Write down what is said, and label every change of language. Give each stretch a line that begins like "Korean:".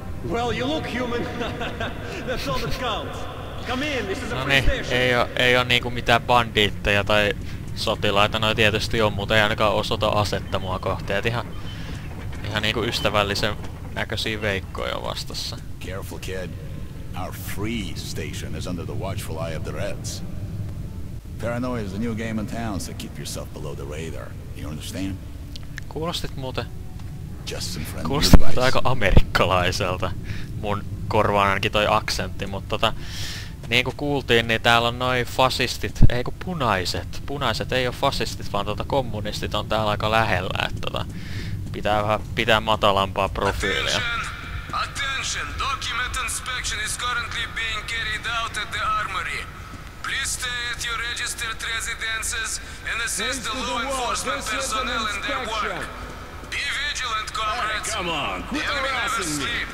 English: Well, you look human. That's all that counts. Come in, this is a free station.
Finnish: Ei oo niinku mitään bandiitteja tai sotilaita. No tietysti on, mutta ei ainakaan osoita asetta mua kohti. Et ihan niinku ystävällisen näköisiä veikkoja vastassa.
English: Careful, kid. Our free station is under the watchful eye of the Reds. Paranoia is a new game in town, so keep yourself below the radar. You understand?
Finnish: Kuulostit muuten...
English: Just some friendly advice.
Finnish: Kuulostit aika amerikkalaiselta. Mun korvaan ainakin toi aksentti, mutta niin kuin kuultiin, niin täällä on noi fasistit, ei kun punaiset. Punaiset ei oo fasistit, vaan kommunistit on täällä aika lähellä, että pitää vähän pitää matalampaa profiilia.
English: Attention! Document inspection is currently being carried out at the armory. Please stay at your registered residences and assist the law enforcement personnel in their work. Be vigilant, comrades. Come on, quit harassing me.